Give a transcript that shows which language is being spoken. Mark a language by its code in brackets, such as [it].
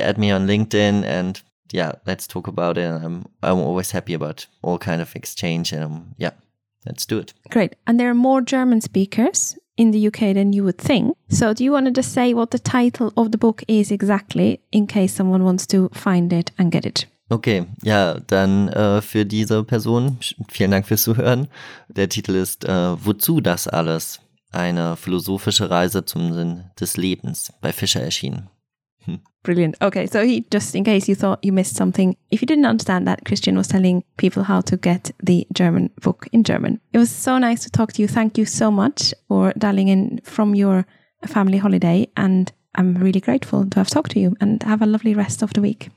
[en] Add me on LinkedIn and let's talk about it. I'm always happy about all kind of exchange and let's do it. Great. And there are more German speakers in the UK than you would think. So do you want to just say what the title of the book is exactly, in case someone wants to find it and get it? [de] Okay, dann für diese Person, vielen Dank fürs Zuhören. Der Titel ist Wozu das alles? Eine philosophische Reise zum Sinn des Lebens, bei Fischer erschienen. [en] Brilliant. Okay, so he, just in case you thought you missed something, if you didn't understand that, Christian was telling people how to get the German book in German. It was so nice to talk to you. Thank you so much for dialing in from your family holiday. And I'm really grateful to have talked to you, and have a lovely rest of the week.